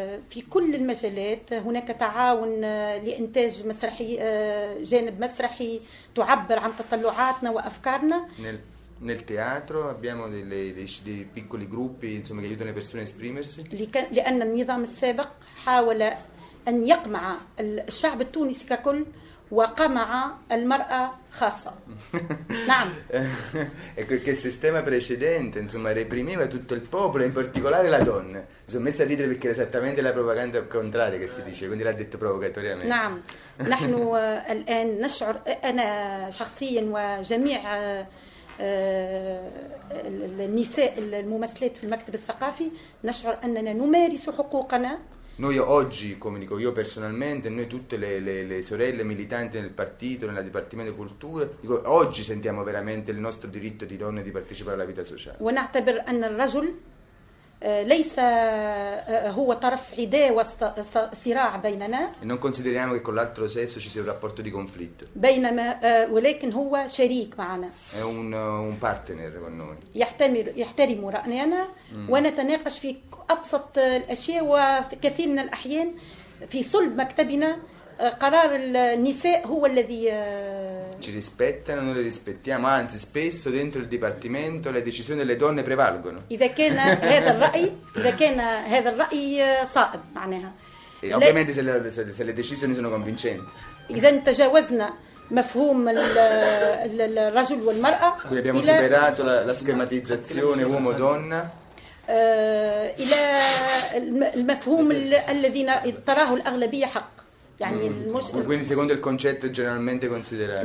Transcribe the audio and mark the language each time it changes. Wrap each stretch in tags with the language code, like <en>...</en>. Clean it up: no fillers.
<ar>في كل المجالات هناك تعاون لإنتاج مسرحي جانب مسرحي تعبر عن تطلعاتنا وأفكارنا.</ar> <it>Nel teatro abbiamo dei piccoli gruppi insomma che aiutano le persone a esprimersi.</it> <ar>لأن النظام السابق حاول أن يقمع الشعب التونسي ككل وقمع المرأة خاصة. نعم.</ar> <it>Ecco che il sistema precedente insomma reprimeva tutto il popolo, in particolare la donna. Mi sono messa a ridere perché era esattamente la propaganda contraria che si dice, quindi l'ha detto provocatoriamente.</it> <ar>نعم. نحن الآن نشعر أنا شخصيا وجميع النساء الممثلات في المكتب الثقافي نشعر أننا نمارس حقوقنا.</ar> <it>Noi oggi, come dico io personalmente, noi tutte le sorelle militanti nel partito, nel Dipartimento di Cultura, dico, oggi sentiamo veramente il nostro diritto di donne di partecipare alla vita sociale.</it> <ar>ونعتبر أن الرجل ليس هو طرف عداء وصراع بيننا.</ar> <it>E non consideriamo che con l'altro sesso ci sia un rapporto di conflitto.</it> <ar>بينما ولكن هو شريك معنا.</ar> <it>È un partner con noi.</it> <ar>يحترم رأينا ونتناقش في أبسط الأشياء وكثير من الأحيان في صلب مكتبنا قرار النساء هو الذي</ar> <it>ci rispettano, noi le rispettiamo, anzi spesso dentro il dipartimento le decisioni delle donne prevalgono.</it> <ar>إذا كان هذا الرأي صائب معناها.</ar> <it>Ovviamente se le decisioni sono convincenti.</it> <ar>إذا تجاوزنا مفهوم الرجل والمرأة.</ar> <it>Qui abbiamo superato la schematizzazione uomo donna.</it> <ar>إلى المفهوم الذي تراه الأغلبية حق.</ar> <it>Quindi secondo il concetto generalmente considerato.</it>